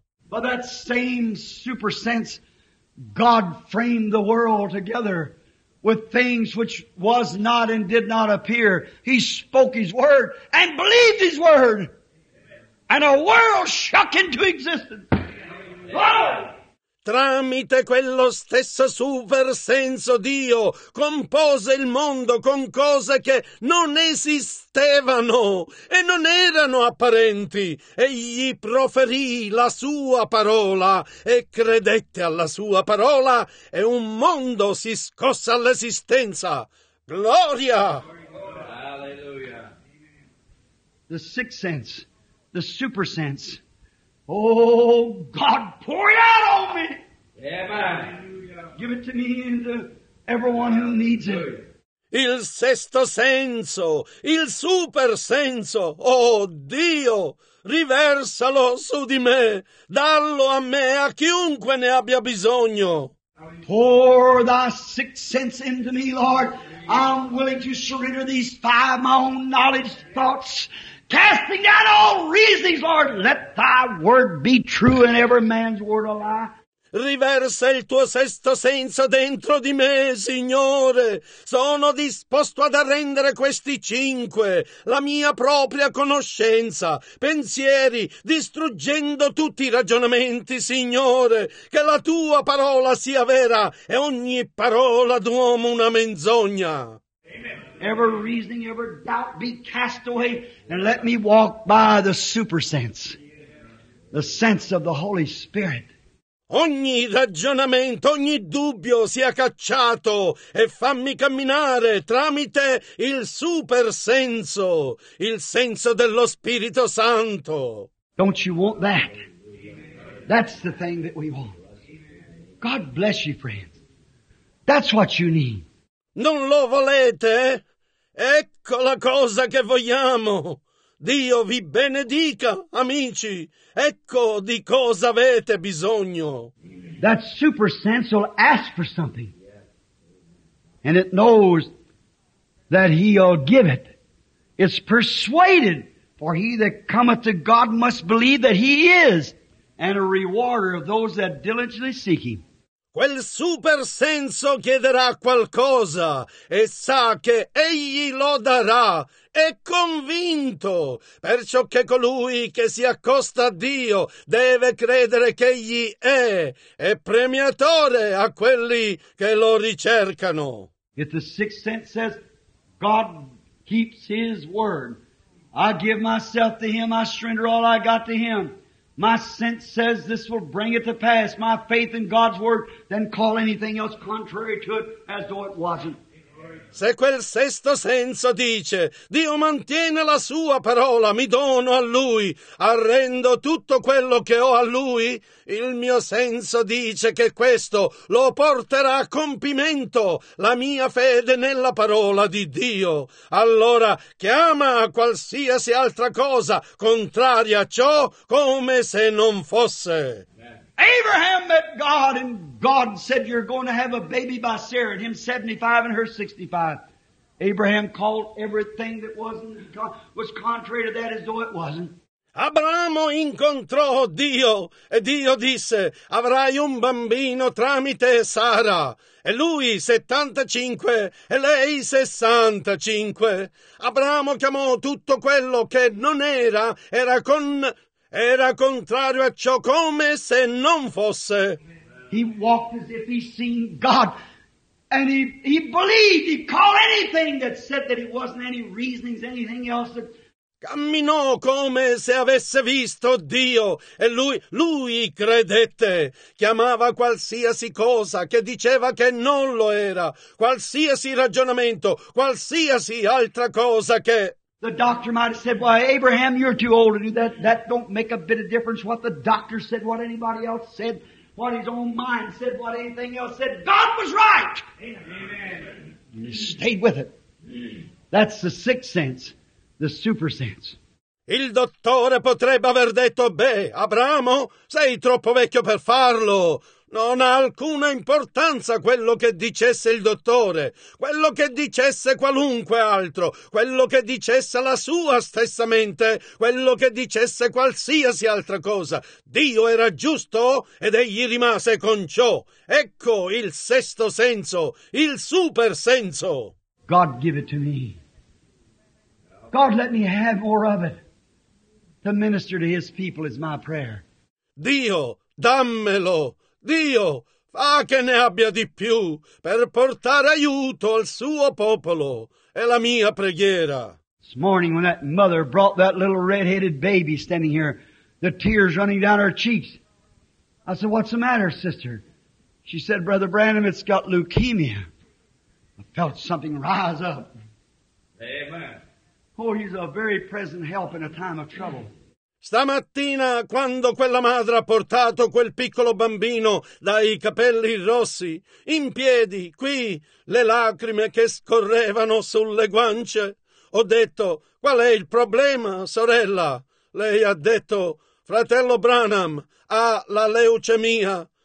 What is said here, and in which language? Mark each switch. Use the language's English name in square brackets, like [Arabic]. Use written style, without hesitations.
[English] But that same super sense, God framed the world together with things which was not and did not appear. He spoke His word and believed His word, and a world shook into existence. Whoa! [Italian] Tramite quello stesso super senso Dio compose il mondo con cose che non esistevano e non erano apparenti. Egli proferì la sua parola e credette alla sua parola e un mondo si scosse all'esistenza. Gloria! Alleluia! [English] The sixth sense, the super sense. Oh, God, pour it out on me! Amen. Give it to me and to everyone who needs it. [Italian] Il sesto senso, il super senso, oh Dio, riversalo su di me, dallo a me, a chiunque ne abbia bisogno. [English] Pour thy sixth sense into me, Lord. I'm willing to surrender these five my own knowledge thoughts. Casting down all reasonings, Lord, let thy word be true and every man's word a lie. [Italian] Riversa il tuo sesto senso dentro di me, Signore. Sono disposto ad arrendere questi cinque, la mia propria conoscenza, pensieri, distruggendo tutti i ragionamenti, Signore. Che la tua parola sia vera e ogni parola d'uomo una menzogna. [English] Every reasoning, every doubt be cast away and let me walk by the super sense, the sense of the Holy Spirit. [Italian] Ogni ragionamento, ogni dubbio sia cacciato e fammi camminare tramite il super senso, il senso dello Spirito Santo. [English] Don't you want that? That's the thing that we want. God bless you, friends. That's what you need. [Italian] Non lo volete? Ecco la cosa che vogliamo. Dio vi benedica, amici. Ecco di cosa avete bisogno. [English] That super sense will ask for something. And it knows that He'll give it. It's persuaded. For he that cometh to God must believe that He is. And a rewarder of those that diligently seek Him. [Italian] Quel super senso chiederà qualcosa e sa che egli lo darà, è convinto, perciò che colui che si accosta a Dio deve credere che egli è premiatore a quelli che lo ricercano. [English] If the sixth sense says God keeps his word, I give myself to Him. I surrender all I got to Him. My sense says this will bring it to pass. My faith in God's Word, then call anything else contrary to it as though it wasn't. [Italian] Se quel sesto senso dice, Dio mantiene la sua parola, mi dono a Lui, arrendo tutto quello che ho a Lui, il mio senso dice che questo lo porterà a compimento, la mia fede nella parola di Dio. Allora chiama a qualsiasi altra cosa contraria a ciò come se non fosse. [English] Abraham met God, and God said, you're going to have a baby by Sarah, him 75 and her 65. Abraham called everything that was contrary to that as though it wasn't. [Italian] Abramo incontrò Dio, e Dio disse, avrai un bambino tramite Sara. E lui 75 e lei 65. Abramo chiamò tutto quello che non era, era contrario a ciò come se non fosse. [English] He walked as if he seen God, and he believed. He called anything that said that it wasn't any reasonings, anything else. [Italian] Camminò come se avesse visto Dio, e lui credette. Chiamava qualsiasi cosa che diceva che non lo era, qualsiasi ragionamento, qualsiasi altra cosa che. [English] The doctor might have said, "Why, Abraham, you're too old to do that. That don't make a bit of difference what the doctor said, what anybody else said, what his own mind said, what anything else said. God was right." Amen. And he stayed with it. That's the sixth sense, the super sense. [Italian] Il dottore potrebbe aver detto, "Beh, Abramo, sei troppo vecchio per farlo." Non ha alcuna importanza quello che dicesse il dottore, quello che dicesse qualunque altro, quello che dicesse la sua stessa mente, quello che dicesse qualsiasi altra cosa. Dio era giusto ed egli rimase con ciò. Ecco il sesto senso, il super senso. [English] God give it to me. God let me have more of it. To minister to His people is my prayer. [Italian] Dio, dammelo. Dio, fa che ne abbia di più per portare aiuto al suo popolo. È la mia preghiera. [English] This morning when that mother brought that little red-headed baby standing here, the tears running down her cheeks. I said, "What's the matter, sister?" She said, "Brother Branham, it's got leukemia." I felt something rise up. Amen. Oh, He's a very present help in a time of trouble. [Italian] Stamattina, quando quella madre ha portato quel piccolo bambino dai capelli rossi, in piedi, qui, le lacrime che scorrevano sulle guance, ho detto, "Qual è il problema, sorella?" Lei ha detto, "Fratello Branham ha la leucemia."